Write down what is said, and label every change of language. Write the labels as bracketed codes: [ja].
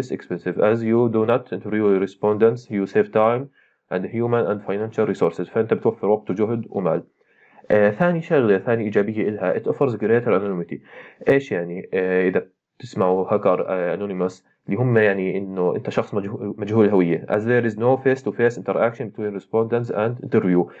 [en] less expensive as you do not interview your respondents, you save time and human and financial resources. [ar] فانت بتوفر وقت وجهد ومال. ثاني شغلة، ثاني إيجابية إلها، [en] it offers greater anonymity. [ar] إيش يعني؟ إذا تسمعوا هاكر anonymous، اللي هم يعني إنه أنت شخص مجهول الهوية. [en] As there is no face-to-face interaction between respondents and interview.